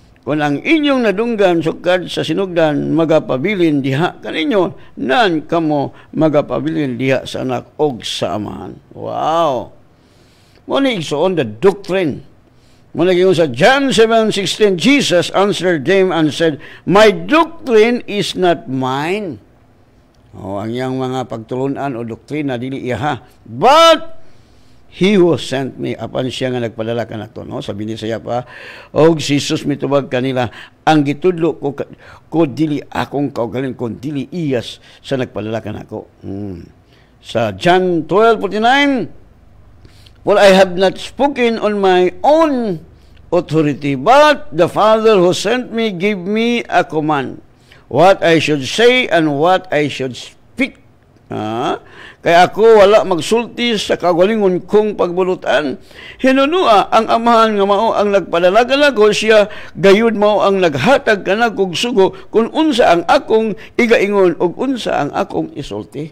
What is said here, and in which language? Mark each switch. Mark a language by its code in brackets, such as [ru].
[ceb] kung ang inyong nadunggan sukad sa sinugdan, magapabilin diha kaninyo, nan kamo magapabilin diha sa anak og sa amahan. Wow! Muna igsoon [en] the doctrine. [ceb] Muna igsoon sa [en] John 7:16, Jesus answered them and said, "My doctrine is not mine." [ceb] O, ang iyang mga pagtulunan o doktrina, dili iha. [en] But he who sent me, [ceb] apan siya nga nagpadala ka na to, no? Sabi ni siya pa, o si Jesus mitubag kanila, ang gitudlo ko, ko dili akong kaugaling, kung dili iyas sa nagpadala ka na ko. [en] Sa John 12:49, "Well, I have not spoken on my own authority, but the Father who sent me gave me a command. What I should say and what I should speak." [ceb] Kaya ako wala magsulti sa kagalingon kong pagbulutan. Hinunua ang amahan nga mao ang nagpadala kanako, siya gayud mao ang naghatag kanako og sugo kung unsa ang akong igaingon o unsa ang akong isulti.